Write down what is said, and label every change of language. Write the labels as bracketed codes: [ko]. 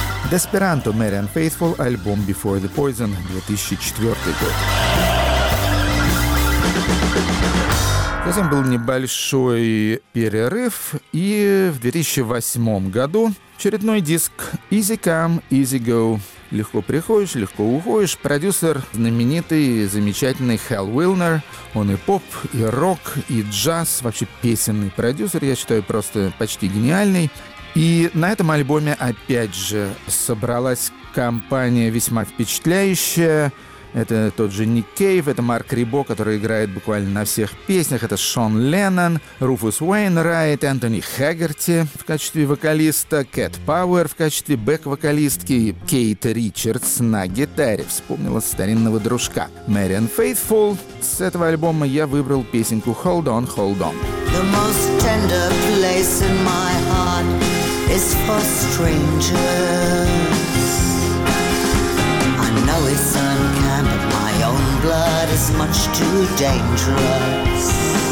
[ru] Esperanto, Marian Faithful, альбом Before the Poison, 2004 год. Затем был небольшой перерыв, и в 2008 году очередной диск Easy Come, Easy Go. Легко приходишь, легко уходишь. Продюсер знаменитый и замечательный Хэл Уилнер. Он и поп, и рок, и джаз. Вообще песенный продюсер, я считаю, просто почти гениальный. И на этом альбоме, опять же, собралась компания весьма впечатляющая. Это тот же Ник Кейв, это Марк Рибо, который играет буквально на всех песнях. Это Шон Леннон, Руфус Уэйнрайт, Энтони Хэггерти в качестве вокалиста, Кэт Пауэр в качестве бэк-вокалистки, Кейт Ричардс на гитаре. Вспомнила старинного дружка. Marian Faithful. С этого альбома я выбрал песенку «Hold on, hold on». [en] The most tender place in my heart is for strangers. I know it's uncanny, but my own blood is much too dangerous.